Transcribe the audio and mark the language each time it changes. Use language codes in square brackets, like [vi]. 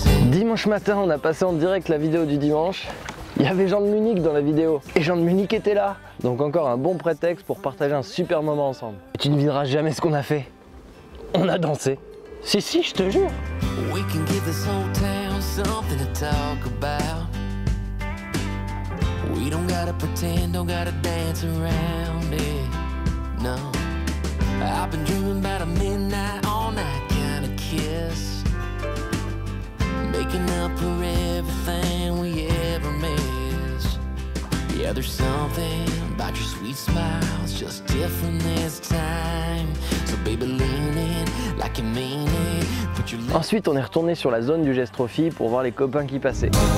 [fr] Dimanche matin, on a passé en direct la vidéo du dimanche. Il y avait Jean de Munich dans la vidéo et Jean de Munich était là. Donc encore un bon prétexte pour partager un super moment ensemble. Et tu ne devineras jamais ce qu'on a fait. On a dansé. Si, si, je te jure. [en] We can give this whole town something to talk about. We don't gotta pretend, don't gotta dance around it. No. I've been dreaming about a midnight all night kind of kiss. Making up for everything we ever miss. Yeah, there's something about your sweet smiles just different this time. So baby lean in like you mean it. [fr] Ensuite, on est retourné sur la zone du geste trophy pour voir les copains qui passaient.